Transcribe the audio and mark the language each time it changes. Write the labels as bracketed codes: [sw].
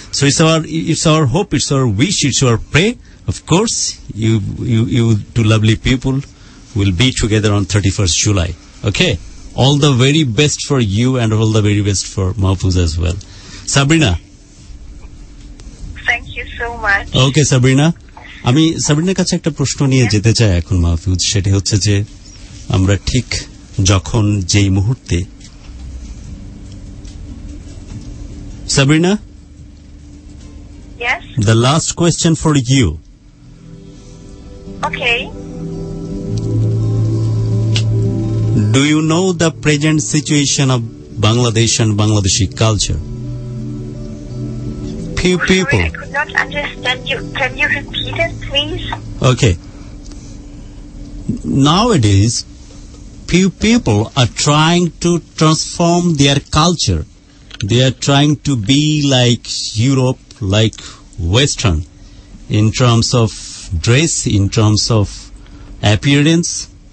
[en] So it's our hope, it's our wish, it's our pray. Of course, you two lovely people will be together on 31st July. Okay, all the very best for you and all the very best for Mahfuz as well. Sabrina. Thank you so much. Okay, Sabrina. [bn] আমি সাবিনার কাছে একটা প্রশ্ন নিয়ে যেতে চাই এখন মাহফুজ, সেটা হচ্ছে যে আমরা ঠিক যখন যেই মুহূর্তে, Sabina, the last question for you, do you know the present situation of Bangladesh and Bangladeshi culture? [en] Few people. Sorry, I could not understand you. Can you repeat it, please? Okay. Nowadays, few people are trying to transform their culture. They are trying to be like Europe, like Western, in terms of dress, in terms of appearance.